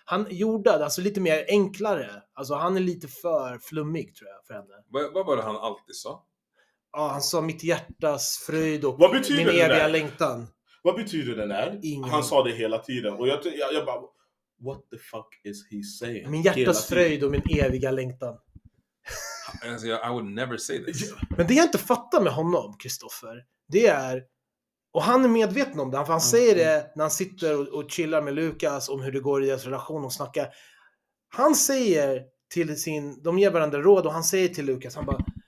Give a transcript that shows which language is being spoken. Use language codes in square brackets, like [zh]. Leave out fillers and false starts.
[sv] Jordad, alltså lite mer enklare. Alltså, han är lite för flummig, tror jag, för henne. Vad var det han alltid sa? Ja, han sa mitt hjärtas fröjd och min eviga längtan. Vad betyder den där? Ingen. Han sa det hela tiden. Och jag bara, [en] what the fuck is he saying? [sv] Min hjärtas fröjd och min eviga längtan. [en] I would never say this. [sv] Men det jag inte fattar med honom, Kristoffer, det är... Och han är medveten om det, för han säger det när han sitter och chillar med Lukas om hur det går i deras relation och snackar. Han säger till sin... De ger varandra råd och han säger till Lukas, han bara...